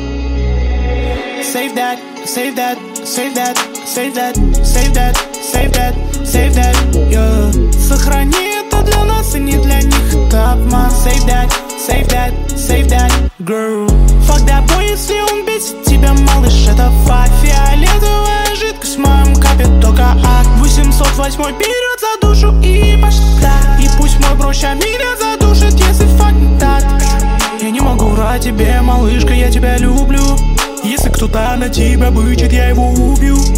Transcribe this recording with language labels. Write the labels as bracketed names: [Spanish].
[English] save that, save that, save that, save that, save that, save that, yeah. [Russian] Сохрани это для нас и не для них, это обман. [English] Save that, save that, save that, girl. Fuck that boy, [Russian] если он бесит тебя, малыш, это факт. Фиолетовая жидкость в моем капе, только акт. 808 берет за душу и пошла. И пусть мой проща меня задушит, если факт не так. Я не могу врать тебе, малышка, я тебя люблю. Если кто-то на тебя бычит, я его убью.